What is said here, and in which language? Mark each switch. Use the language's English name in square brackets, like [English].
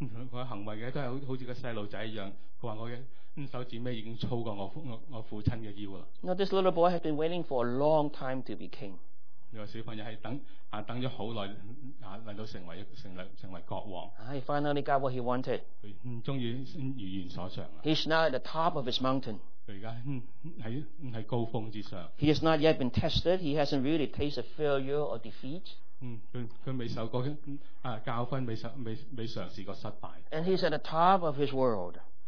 [Chinese] 他行為的都是好像個小孩一樣，他說我的手指尾已經粗過我父親的腰了。 [English] Now this little boy has been waiting for a long time to be king. [Chinese] 這個小朋友是等了很久來到成為國王。 [English] He finally got what he wanted. [Chinese] 他終於如願所償了。 [English] He's now at the top of his mountain. [Chinese] 他現在在高峰之上。 [English] He has not yet been tested. He hasn't really tasted failure or defeat. [Chinese] 他未受過教訓，未嘗試過失敗。 [English] And he's at the top of his world.